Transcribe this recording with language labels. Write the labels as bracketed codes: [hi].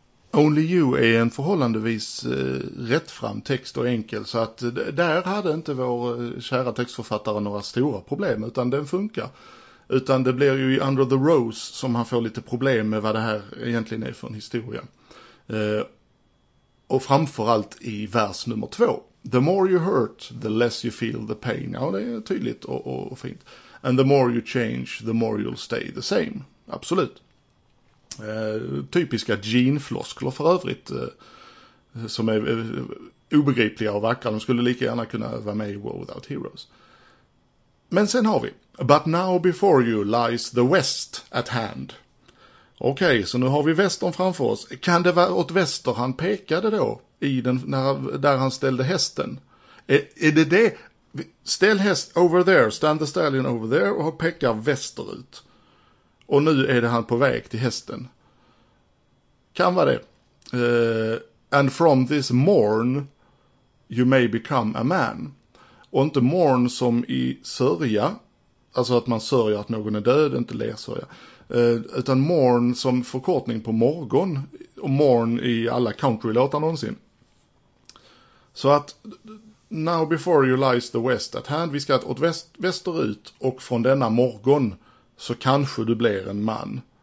[sv] Only You är en förhållandevis rättfram text och enkel, så att där hade inte vår kära textförfattare några stora problem, utan den funkar. Utan det blir ju i Under the Rose som han får lite problem med vad det här egentligen är för en historia. Och framförallt i vers nummer 2. [en] The more you hurt, the less you feel the pain. [sv] Ja, det är tydligt och fint. [en] And the more you change, the more you'll stay the same. [sv] Absolut. Typiska Gene-floskler för övrigt, som är obegripliga och vackra. De skulle lika gärna kunna vara med i War Without Heroes. Men sen har vi [en] But now before you lies the west at hand. [sv] Okej, okay, så nu har vi västern framför oss. Kan det vara åt väster han pekade då i den, när, där han ställde hästen? Är det det? Ställ häst [en] over there, stand the stallion over there [sv] och peka västerut. Och nu är det han på väg till hästen. Kan vara det. [en] And from this morn you may become a man. [sv] Och inte morn som i sörja. Alltså att man sörjer att någon är död, inte lersörja. Utan morn som förkortning på morgon. Och morn i alla countrylåtar någonsin. Så att [en] now before you lies the west at hand. [sv] Vi ska åt västerut och från denna morgon så kanske du blir en man.